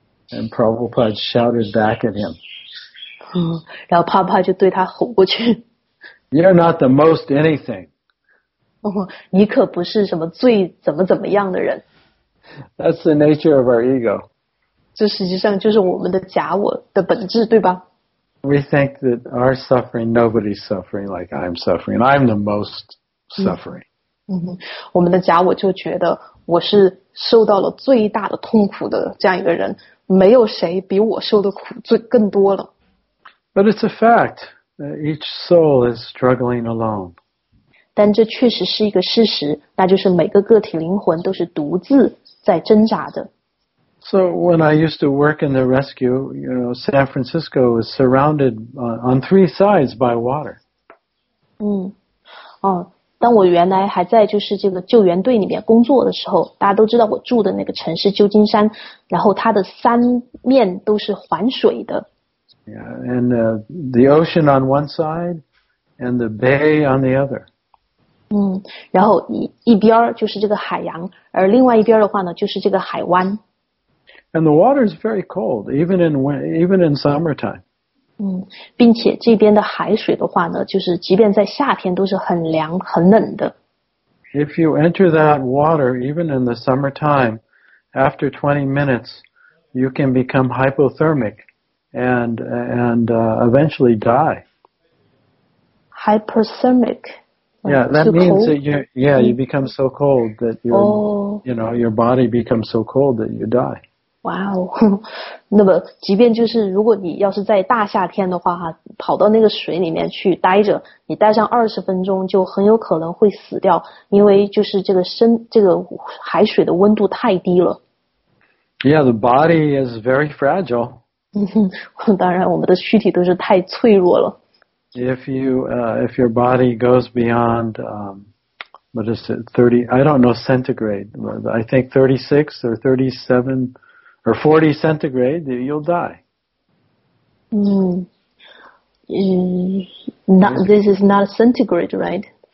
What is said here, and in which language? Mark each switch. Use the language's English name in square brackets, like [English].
[English] And Prabhupada shouted back at him. [Chinese] 然后帕帕就对他吼过去。 [English] You're not the most anything. [Chinese] 你可不是什么最怎么怎么样的人。 [English] That's the nature of our ego. [Chinese] 这实际上就是我们的假我的本质，对吧？ [English] We think that our suffering, nobody's suffering like I'm suffering. I'm the most suffering. [Chinese] 我们的假我就觉得我是受到了最大的痛苦的这样一个人。没有谁比我受的苦最更多了。 [English] But it's a fact that each soul is struggling alone. [Chinese] 但这确实是一个事实，那就是每个个体灵魂都是独自在挣扎的。 [English] So when I used to work in the rescue, you know, San Francisco was surrounded on three sides by water. [Chinese] 当我原来还在就是这个救援队里面工作的时候，大家都知道我住的那个城市旧金山，然后它的三面都是环水的。 [English] Yeah, and the ocean on one side and the bay on the other. [Chinese] 然后一边就是这个海洋，而另外一边的话呢，就是这个海湾。 [English] And the water is very cold, even in summertime. [Chinese] 并且这边的海水的话呢，就是即便在夏天都是很凉很冷的。 [English] If you enter that water, even in the summertime, after 20 minutes, you can become hypothermic and eventually die. Hypothermic? Yeah, that means that you become so cold that your body becomes so cold that you die. [Chinese] 哇哦，那么即便就是如果你要是在大夏天的话，跑到那个水里面去待着，你待上20分钟就很有可能会死掉，因为就是这个海水的温度太低了。 [English] Yeah, the body is very fragile. [Chinese] 当然，我们的躯体都是太脆弱了。 [English] If your body goes beyond, what is it, 30, I don't know centigrade, I think 36 or 37 or 40 centigrade, you'll die. This is not centigrade, right?